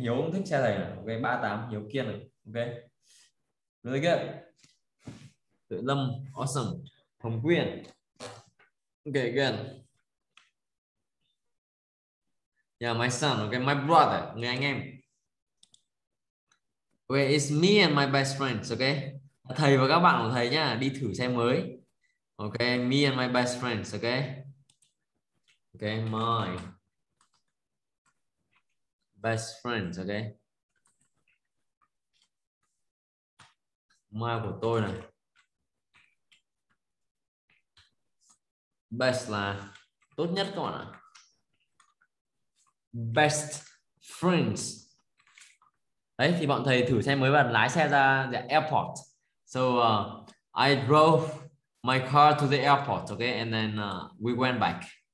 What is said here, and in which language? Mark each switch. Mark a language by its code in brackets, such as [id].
[vi] Hiếu cũng thích xe thầy nào. [en] Ok. 38. Hiếu kiên này. Ok. Really good. Tự Lâm, awesome. Hồng Quyên. Ok, good. Yeah, my son, okay, my brother, [vi] người anh em. [en] Okay, it's me and my best friends, okay? [vi] Thầy và các bạn của thầy nhá, đi thử xe mới. [en] Okay, me and my best friends, okay? Okay, my best friends, okay? [vi] My của tôi này. Best là tốt nhất các bạn ạ. Best friends. Đấy thì bọn thầy thử xe mới và lái xe ra the airport. [en] So I drove my car to the airport, okay, and then we went back.